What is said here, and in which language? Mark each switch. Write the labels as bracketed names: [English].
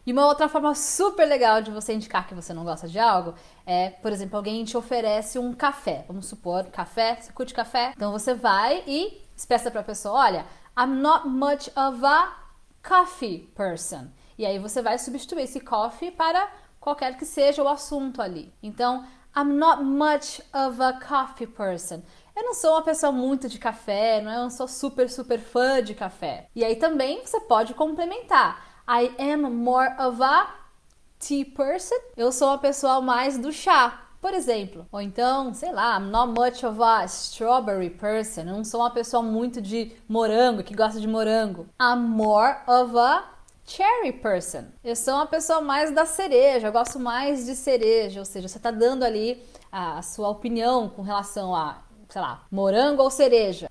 [Portuguese] E uma outra forma super legal de você indicar que você não gosta de algo é, por exemplo, alguém te oferece um café. Vamos supor, café. Você curte café? Então você vai e expressa pra pessoa: olha, [English] I'm not much of a coffee person. [Portuguese] E aí você vai substituir esse coffee para qualquer que seja o assunto ali. [English] Então, I'm not much of a coffee person. [Portuguese] Eu não sou uma pessoa muito de café, não é? Eu não sou super, super fã de café. E aí também você pode complementar: [English] I am more of a tea person. [Portuguese] Eu sou uma pessoa mais do chá, por exemplo. Ou então, sei lá, [English] I'm not much of a strawberry person. [Portuguese] Eu não sou uma pessoa muito de morango, que gosta de morango. [English] I'm more of a cherry person. [Portuguese] Eu sou uma pessoa mais da cereja, eu gosto mais de cereja. Ou seja, você tá dando ali a sua opinião com relação a, sei lá, morango ou cereja.